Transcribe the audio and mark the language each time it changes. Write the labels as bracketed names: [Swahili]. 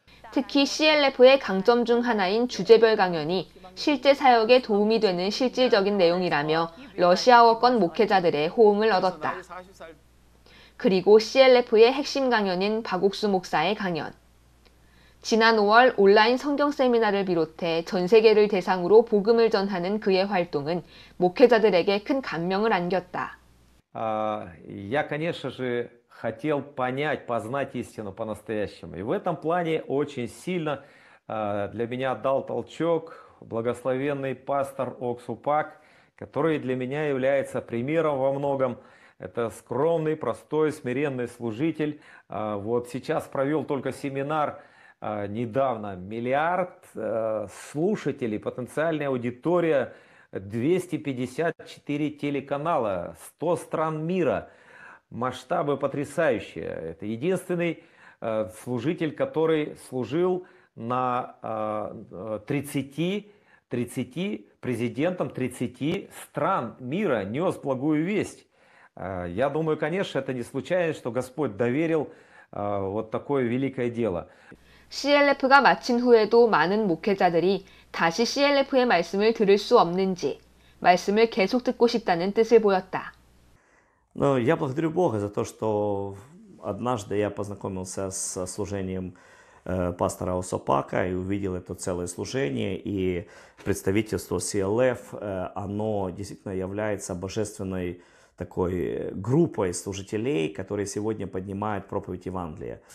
[Korean] 특히 CLF의 강점 중 하나인 주제별 강연이 실제 사역에 도움이 되는 실질적인 내용이라며 러시아어권 목회자들의 호응을 얻었다. 그리고 CLF의 핵심 강연인 박옥수 목사의 강연. 지난 5월 온라인 성경 세미나를 비롯해 전 세계를 대상으로 복음을 전하는 그의 활동은 목회자들에게 큰 감명을 안겼다. [Russian] Я, конечно же, хотел понять, познать истину по-настоящему. И в этом плане очень сильно для меня дал толчок благословенный пастор Оксу Пак, который для меня является примером во многом. Это скромный, простой, смиренный служитель. Вот сейчас провел только семинар недавно. Миллиард слушателей, потенциальная аудитория, 254 телеканала, 100 стран мира. Масштабы потрясающие. Это единственный служитель, который служил на 30 президентам 30 стран мира, нес благую весть. Я думаю, конечно, это не случайно, что Господь доверил вот такое великое дело. [Korean] CLF가 마친 후에도 많은 목회자들이 다시 CLF의 말씀을 들을 수 없는지 말씀을 계속 듣고 싶다는 뜻을 보였다. [Russian] Ну, я благодарю Бога за то, что однажды я познакомился со служением пастора Осопака и увидел это целое служение и представительство CLF, оно действительно является божественной такой группой служителей, которые сегодня поднимают проповедь Евангелия.